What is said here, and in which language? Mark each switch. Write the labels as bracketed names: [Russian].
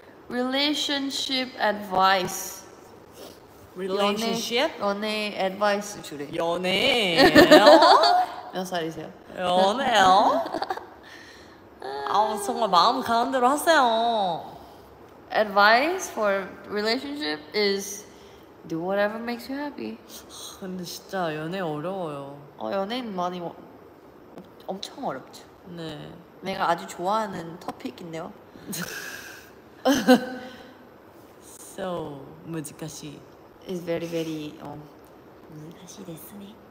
[English] 릴레이션쉽 애드바이스. 릴레이션쉽? [Korean] 연애 애드바이스 주래. 연애? 몇 살이세요? 연애요? 아우 정말 마음 가는 대로 하세요. [English] Advice for relationship is do whatever makes you happy. [Korean] 근데 진짜 연애 어려워요. 연애는 많이 엄청 어렵죠. 네. 내가 아주 좋아하는 토픽인데요. So 무지카 씨. [English] It's very very [Korean] 무지카시 됐으니.